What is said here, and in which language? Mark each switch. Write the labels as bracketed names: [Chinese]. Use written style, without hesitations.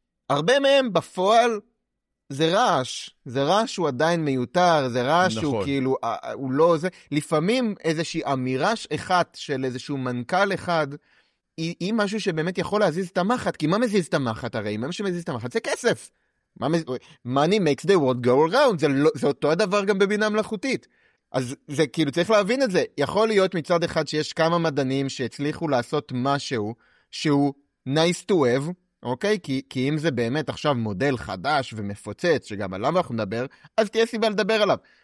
[Hebrew] הרבה מהם בפועל זה רעש. זה רעש הוא עדיין מיותר, זה רעש נכון. הוא כאילו, הוא לא זה. לפעמים איזושהי אמירה אחת של איזשהו מנכ״ל אחד, היא משהו שבאמת יכול להזיז את המחת, כי מה מזיז את המחת הרי? מה שמזיז את המחת זה כסף. [English] Money makes the world go around. [Hebrew] זה אותו הדבר גם בבינה מלאכותית. אז זה כאילו צריך להבין את זה. יכול להיות מצד אחד שיש כמה מדענים שהצליחו לעשות משהו שהוא [English] nice to have, [Hebrew] אוקיי? כי אם זה באמת עכשיו מודל חדש ומפוצץ, שגם עליו אנחנו נדבר, אז תהיה סיבה לדבר עליו.